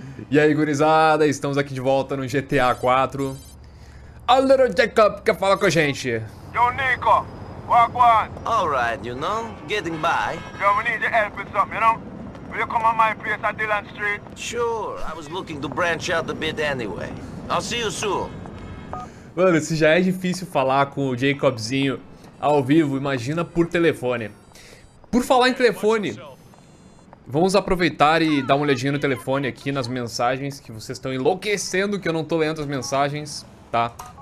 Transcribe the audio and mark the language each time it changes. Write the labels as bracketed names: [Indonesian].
[Portuguese] E aí, gurizada, estamos aqui de volta no GTA 4. A Little Jacob quer falar com a gente. [English] Yo, Nico, what one? All right, you know, getting by. Yo, we need your help with something, you know? Will you come on my place at Dillon Street? Sure, I was looking to branch out a bit anyway. I'll see you soon. [Portuguese] Mano, se já é difícil falar com o Jacobzinho ao vivo, imagina por telefone. Por falar em telefone, vamos aproveitar e dar uma olhadinha no telefone aqui nas mensagens, que vocês estão enlouquecendo que eu não tô lendo as mensagens, tá?